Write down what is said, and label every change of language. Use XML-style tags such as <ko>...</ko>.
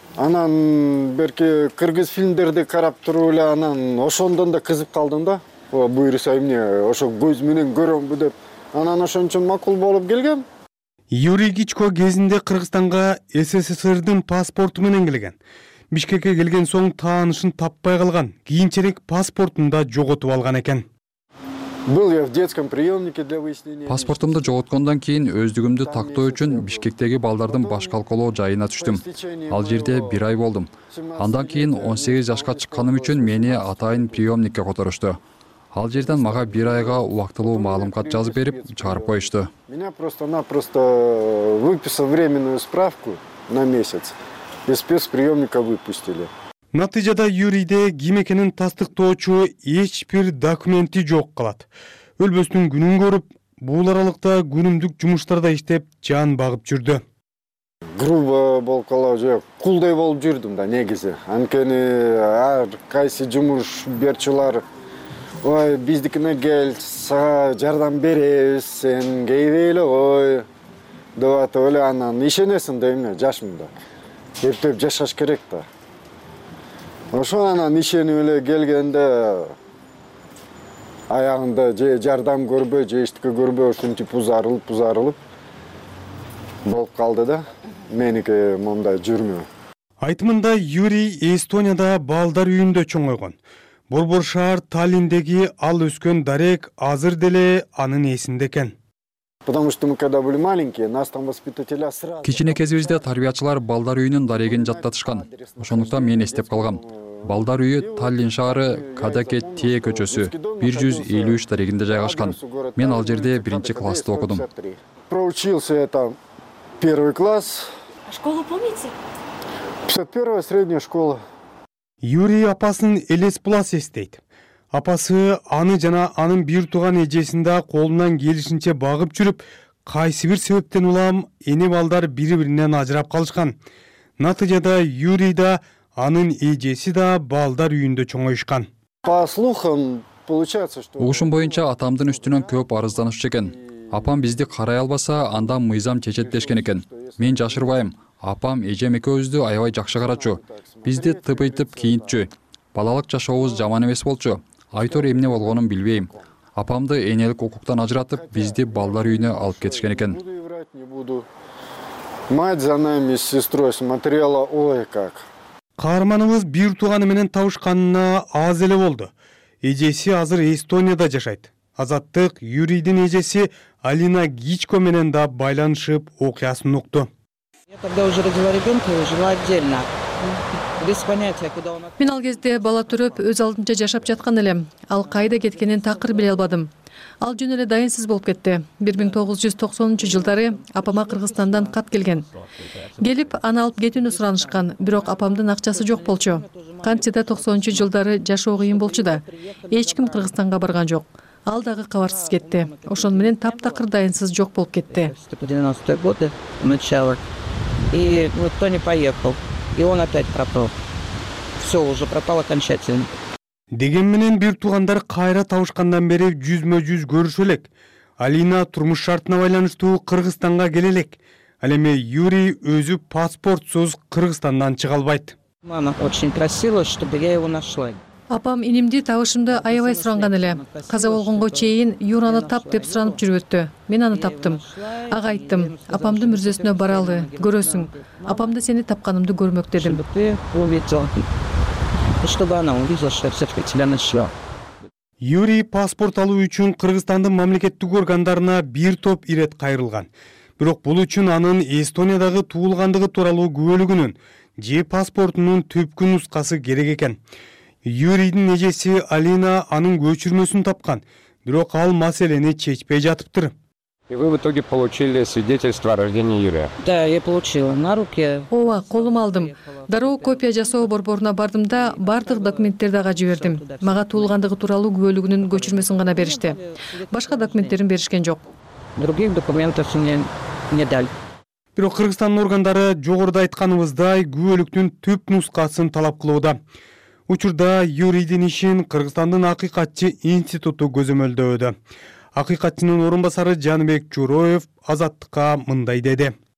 <ky>Анан берки кыргыз фильмдерди карап туруп эле анан ошондон да кызып калдым да. Буюрса эмне? Ошо көз менен көрөмбү деп. Анан ошончо макул болуп келгем. Юрий Гичко кезинде Кыргызстанга СССРдин паспорту менен келген. Бишкекке келген соң таанышын таппай калган. Кийинчерээк паспортун да жоготуп алган экен.</ky> <ru>Был я в детском приемнике для выяснения.</ru> <ky>Паспортумду жоготкондон кийин өздүгүмдү тактоо үчүн Бишкектеги балдардын баш колкоолоо жайына түштүм. Ал жерде бир ай болдум. Андан кийин 18 жашка чыкканым үчүн мени атайын приемникке которушту. Ал жерден мага бир айга убактылуу маалымат жазып берип, чыгарып коюшту.</ky> <ru>Меня просто-напросто выписал временную справку на месяц. Из спецприемника выпустили.</ru> <ky>Натыйжада Юрийде ким экенин тастыктоочу эч бир документи жок калат. Өлбөстүн күнүн көрүп, бул аралыкта күнүмдүк жумуштарда иштеп, жан багып жүрдү. Грубо болуп калабы же, кулдай болуп жүрдүм да негизи. Анткени ар кайсы жумуш берчүлар: «Ой, биздикине кел, сага жардам беребиз, сен кейбей эле кой» деп атып эле анан ишенесиң да эмне жашмын да. Эптеп жашаш керек да. Ошо анан ишенип эле келгенде аягында же жардам көрбөй, же эчтеке көрбөй ушинтип узарылып болуп калды да. Меники мондай жүрмөө. Айтымында Юрий Эстонияда балдар үйүндө чоңойгон. Борбор шаар Таллиндеги ал өскөн дарек азыр деле анын эсинде экен.</ky> <ru>Потому что мы когда были маленькие, нас там воспитателя сразу.</ru> <ky>Кичине кезибизде тарбиячылар балдар үйүнүн дарегин жаттатышкан. Ошондуктан мен эстеп калгам. Балдар үйү Таллин шаары Кадаке Тие көчөсү 153 дарегинде жайгашкан. Мен ал жерде 1-чи классты окудум.</ky> <ru>Проучился я там 1-й класс. А школу помните? 51-я средняя школа.</ru> <ky>Юрий апасын Элес Плас эстейт. Апасы аны жана анын бир тууган эжесин да колунан келишинче багып жүрүп, кайсы бир себептен улам эне балдар бири-биринен ажырап калышкан. Натыйжада Юрий да анын эжеси да балдар үйүндө чоңойушкан.</ky> <ru>По слухам получается, что</ru> <ky>Угушум боюнча атамдын үстүнөн көп арызданышчу экен. Апам бизди карай албаса, анда мыйзам чечет дешкен экен. Мен жашырбайм. Апам эжем экөөбүздү аябай жакшы карачу. Бизди тыпытып кийинтчү. Балалык жашообуз жаман эмес болчу. Айтор эмне болгонун билбейм. Апамды энелик укуктан ажыратып, бизди балдар үйүнө алып кетишкен экен.</ky> <ru>Мать за нами с сестрой смотрела, ой как.</ru> <ky>Каарманыбыз бир тууганы менен табышканына аз эле болду. Эжеси азыр Эстонияда жашайт. Азаттык Юрийдин эжеси Алина Гичко менен да байланышып окуясын укту.</ky> <ru>Когда уже родила ребенка, я жила отдельно. Без понятия, куда он.</ru> <ky>Мен ал кезде бала туруп, өз алдымча жашап жаткан элем. Ал кайда кеткенин такыр биле албадым. Ал жөн эле дайынсыз болуп кетти. 1990 жылдары апама Кыргызстандан кат келген. Келип аны алып кетүүнү суранышкан, бирок апамдын акчасы жок болчу. Кантсе да 90 жылдары жашоо кыйын болчу да. Эч ким Кыргызстанга барган жок. Ал дагы кабарсыз кетти. Ошон менен таптакыр дайынсыз жок болуп кетти.</ky> <ru>90-й годы. И никто не поехал. И он опять пропал. Все, уже пропал окончательно.</ru> <ky>Деген менен бир туугандар кайра табышкандан бери жүзмө-жүз көрүшө элек. Алина турмуш шартына байланыштуу Кыргызстанга келе элек. Ал эми Юрий өзү паспортсуз Кыргызстандан чыга албайт.</ky> <ru>Мама очень просила, чтобы я его нашла.</ru> <ky>Апам инимди табышымды аябай суранган эле. Каза болгонго чейин Юраны тап деп суранып жүрбөттү. Мен аны таптым. Ага айттым: «Апамдын мүрзөсүнө баралы, көрөсүң. Апамды сени тапканымды көрмөк» дедим. Юрий паспорт алуу үчүн Кыргызстандын мамлекеттүү органдарына бир топ ирет кайрылган. Бирок бул үчүн анын Эстониядагы туулгандыгы тууралуу күбөлүгүнүн же паспортунун түпкү нускасы керек экен. Юрийдин эжеси Алина анын көчүрмөсүн тапкан, бирок ал маселени чечпей жатыптыр.</ky> <ru>И вы в итоге получили свидетельство о рождении Юрия? Да, я получила на руке.</ru> <ky>Ова, колум алдым. Дароо копия жасоо борборуна бардым да бардык документтерди ага жибердим. Мага туулгандыгы тууралуу күбөлүгүнүн көчүрмөсүн гана беришти. Башка документтерин беришкен жок.</ky> <ru>Других документов не дали.</ru> <ky>Бирок Кыргызстандын органдары жогоруда айтканыбыздай күбөлүктүн түп нускасын талап кылууда. Учурда Юрийдин ишин Кыргызстандын акыйкатчы институту көзөмөлдөөдө. Акыйкатчынын орун басары Жаныбек Чуроев Азаттыкка мындай деди.</ky>